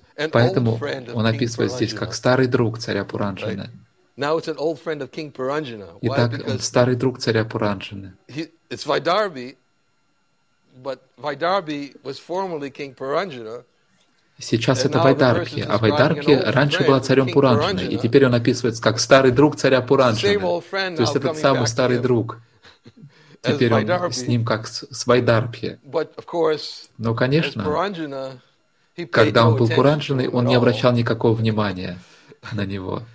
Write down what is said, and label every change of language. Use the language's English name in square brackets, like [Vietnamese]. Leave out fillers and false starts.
[Russian] Поэтому он описывает здесь как старый друг царя Пуранджана. Итак, он старый друг царя Пуранджана. [English] It's Vaidarbhi, but Vaidarbhi was formerly King Puranjana. [Russian] Сейчас это Вайдарбхи, а Вайдарбхи раньше была царем Пуранджана, и теперь он описывается как старый друг царя Пуранджана. То есть этот самый старый друг. Теперь он с ним как с Вайдарбхи. Но, конечно, когда он был Пуранджаной, он не обращал никакого внимания на него.